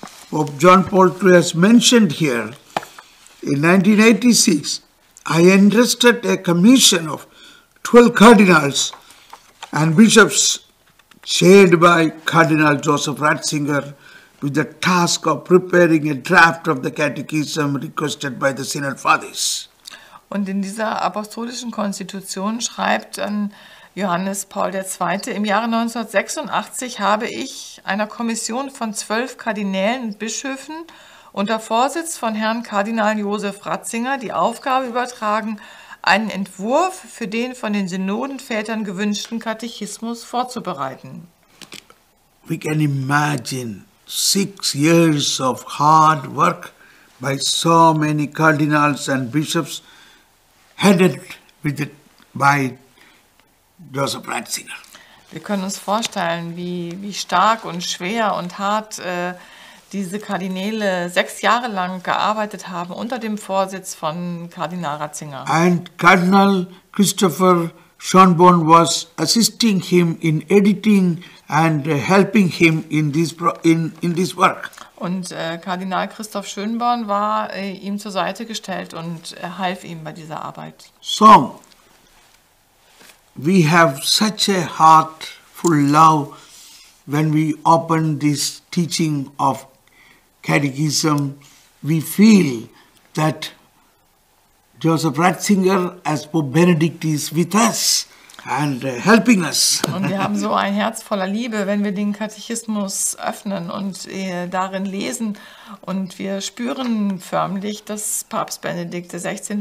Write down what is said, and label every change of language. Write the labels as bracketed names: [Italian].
[English] Pope John Paul II has mentioned here. In 1986, I entrusted a commission of 12 cardinals and bishops, chaired by Cardinal Joseph Ratzinger, with the task of preparing a draft of the catechism requested by the Synod Fathers. [German] Und in dieser apostolischen Konstitution schreibt dann Johannes Paul II. Im Jahre 1986 habe ich einer Kommission von 12 Kardinälen und Bischöfen unter Vorsitz von Herrn Kardinal Josef Ratzinger die Aufgabe übertragen, einen Entwurf für den von den Synodenvätern gewünschten Katechismus vorzubereiten. [English] We can imagine 6 years of hard work by so many cardinals and bishops headed with by Joseph Ratzinger. [German] Wir können uns vorstellen, wie stark und schwer und hart diese Kardinäle 6 Jahre lang gearbeitet haben unter dem Vorsitz von Kardinal Ratzinger. [English] And Cardinal Christopher Schönborn was assisting him in editing and helping him in this work. [German] Und Kardinal Christoph Schönborn war ihm zur Seite gestellt und half ihm bei dieser Arbeit. [English] So, we have such a heartful love when we open this teaching of Catechism, we feel that Joseph Ratzinger as Pope Benedict is with us and helping us. [German] Und wir haben so ein Herz voller Liebe, wenn wir den Katechismus öffnen und darin lesen. Und wir spüren förmlich, dass Papst Benedikt XVI.